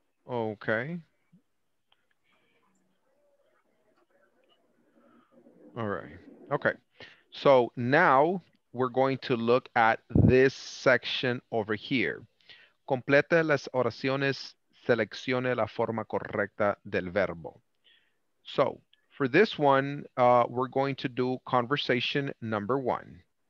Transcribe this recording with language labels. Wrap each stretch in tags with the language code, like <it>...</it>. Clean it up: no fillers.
<en>Okay. All right, okay. So now we're going to look at this section over here.</en> <es>Complete las oraciones, seleccione la forma correcta del verbo.</es> <en>So for this one, we're going to do conversation number one.</en>